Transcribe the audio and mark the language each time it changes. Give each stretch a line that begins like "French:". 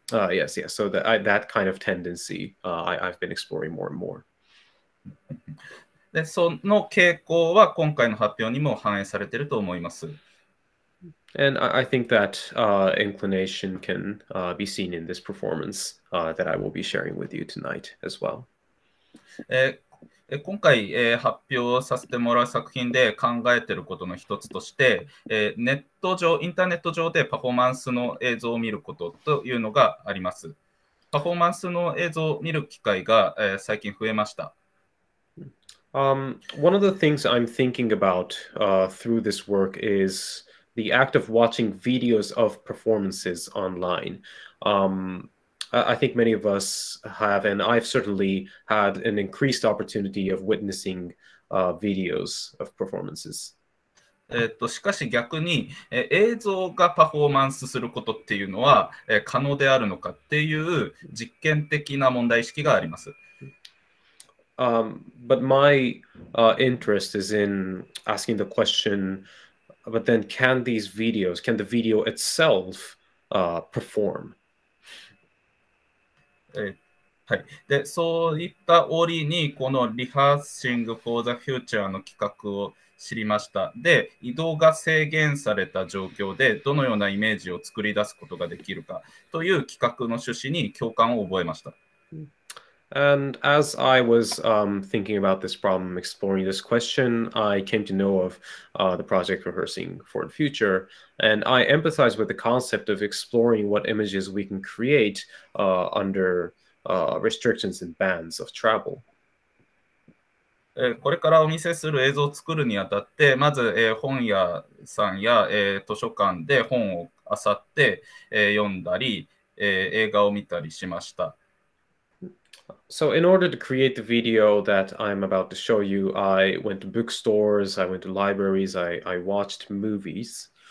English: Yes, so that kind of tendency I've been exploring more and more.
Japanese: で、その傾向は今回の発表にも反映されていると思います。
English: And I think that inclination can be seen in this performance that I will be sharing with you tonight as well.
Japanese: 今回、発表させてもらう作品で考えていることの一つとして、ネット上、インターネット上でパフォーマンスの映像を見ることというのがあります。パフォーマンスの映像を見る機会が、最近増えました。
English: One of the things I'm thinking about through this work isThe act of watching videos of performances online. I think many of us have, and I've certainly had an increased opportunity of witnessing videos of performances.
Japanese: しかし逆に、映像がパフォーマンスすることっていうのは、可能であるのかっていう実験的な問題意識があります。
English: But my interest is in asking the question,But then, can these videos, can the video itself, perform?
Japanese: はい。で、そういった折に、このリハーシング・フォー・ザ・フューチャーの企画を知りました。で、移動が制限された状況で、どのようなイメージを作り出すことができるかという企画の趣旨に共感を覚えました。
English: And as I was thinking about this problem, exploring this question, I came to know of the project Rehearsing for the Future. And I empathize with the concept of exploring what images we can create under restrictions and bans of travel.
Japanese: これからお見せする映像を作るにあたって、まず、本屋さんや、図書館で本を漁って、読んだり、映画を見たりしました。
English: So in order to create the video that I'm about to show you, I went to bookstores, I went to libraries, I watched movies.